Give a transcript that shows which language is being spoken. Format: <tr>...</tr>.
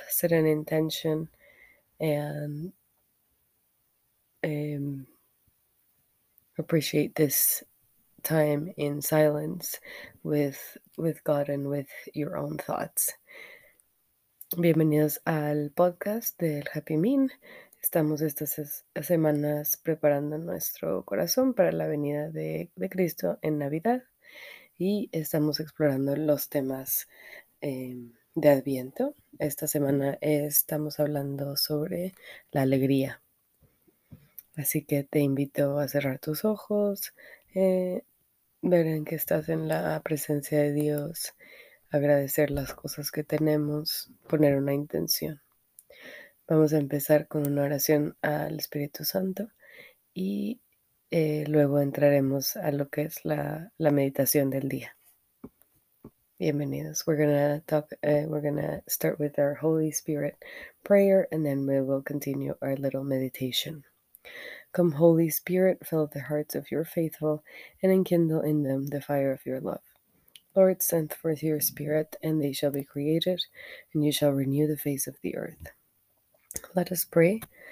<en>Set an intention and appreciate this time in silence with God and with your own thoughts.</en> <es>Bienvenidos al podcast del Happy Meme. Estamos estas semanas preparando nuestro corazón para la venida de Cristo en Navidad y estamos explorando los temas de Adviento. Esta semana estamos hablando sobre la alegría. Así que te invito a cerrar tus ojos, ver en que estás en la presencia de Dios, agradecer las cosas que tenemos, poner una intención. Vamos a empezar con una oración al Espíritu Santo y luego entraremos a lo que es la meditación del día. Bienvenidos.</es> <en>We're gonna start with our Holy Spirit prayer, and then we will continue our little meditation. Come, Holy Spirit, fill the hearts of your faithful, and enkindle in them the fire of your love. Lord, send forth your Spirit, and they shall be created, and you shall renew the face of the earth. Let us pray.</en>